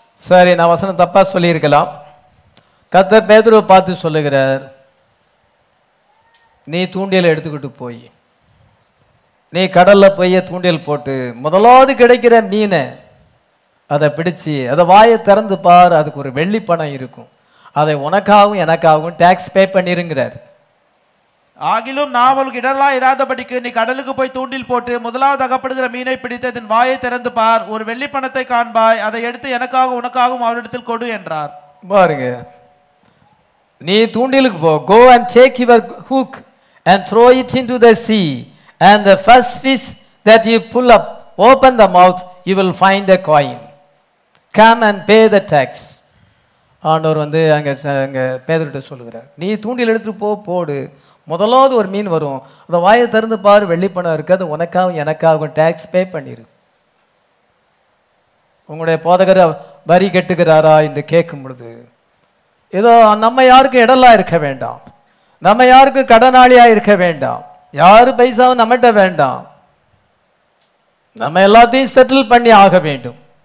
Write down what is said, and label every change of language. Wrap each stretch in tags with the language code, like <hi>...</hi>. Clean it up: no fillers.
<ta>சரி, நான் வசனம் தப்பா சொல்லியிருக்கலாம். கர்த்தர் பேதுருவை பார்த்து சொல்லுகிறார், நீ தூண்டியலை எடுத்துக்கிட்டு போய், நீ கடல்ல போய் தூண்டியல் போட்டு முதலாவது கிடைக்கிற மீனை அதை பிடிச்சி அதை வாயை திறந்து பார், அதுக்கு ஒரு வெள்ளி பணம் இருக்கும், அதை உனக்காகவும் எனக்காகவும் டாக்ஸ் பே பண்ணிருங்கிறார். ஆகிலும் நாவல் இடரலா இராதபடிக்கு நீ கடலுக்கு போய் தூண்டில் போட்டு முதலாவது அகப்படுகிற மீனை பிடித்து அதன் வாயை திறந்து பார், ஒரு வெள்ளி பணத்தை காண்பாய், அதை எடுத்து எனக்காக உனக்காகவும் அவரிடத்தில் கொடு என்றார். பாருங்க, நீ தூண்டிலுக்கு போ,</ta> <en>go and take your hook and throw it into the sea, and the first fish that you pull up, open the mouth, you will find a coin, come and pay the tax.</en> <ta>ஆண்டவர் வந்து அங்கே பேதுருட்ட சொல்லுகிறார், நீ தூண்டில் எடுத்துகிட்டு போடு, முதலாவது ஒரு மீன் வரும், அதை வாயை திறந்து பாரு, வெள்ளிப்பணம் இருக்கு, அது உனக்காகவும் எனக்காகவும் டேக்ஸ் பே பண்ணிரு. உங்களுடைய போதகர் வரி கட்டுகிறாரா என்று கேட்கும் பொழுது, ஏதோ நம்ம யாருக்கும் இடலாக இருக்க வேண்டாம், நம்ம யாருக்கும் கடனாளியாக இருக்க வேண்டாம், யாரு பைசாவும் நம்மகிட்ட வேண்டாம், நம்ம எல்லாத்தையும் செட்டில் பண்ணி ஆக வேண்டும்.</ta>